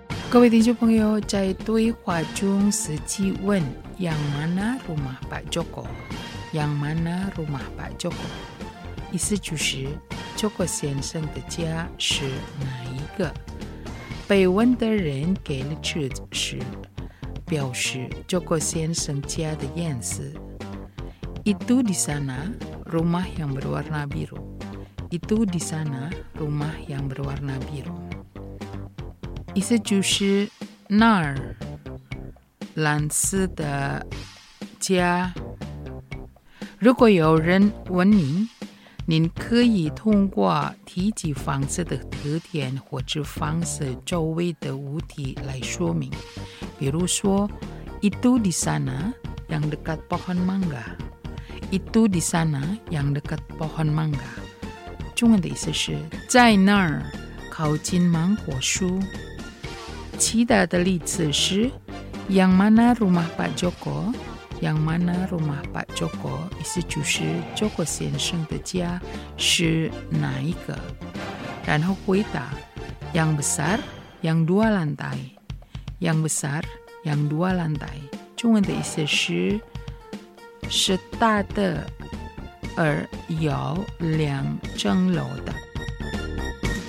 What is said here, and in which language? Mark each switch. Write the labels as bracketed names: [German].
[Chinese] 各位听众朋友，在对话中实际问 [Indonesian] Yang mana rumah Pak Joko? Yang mana rumah Pak Joko? [Chinese] 意思就是 Joko 先生的家是哪一个？被问的人给了指示，表示 Joko 先生家的样子。 [Indonesian] Itu di sana rumah yang berwarna biru. Itu di sana rumah yang berwarna biru. [Chinese] 意思就是那儿蓝色的家。如果有人问您，您可以通过提及房子的特点或者房子周围的物体来说明，比如说 [Indonesian] itu di sana yang dekat pohon mangga， [Chinese] itu di sana yang dekat pohon mangga， 中文的意思是在那儿靠近芒果树。其他的例子是 [Indonesian] Yang mana rumah Pak Joko? Yang mana rumah Pak Joko? [Chinese] 意思就是 Joko 先生的家是哪一个？然后回答 [Indonesian] Yang besar, yang dua lantai. Yang besar, yang dua lantai. [Chinese] 中文的意思是是大的而有两层楼的。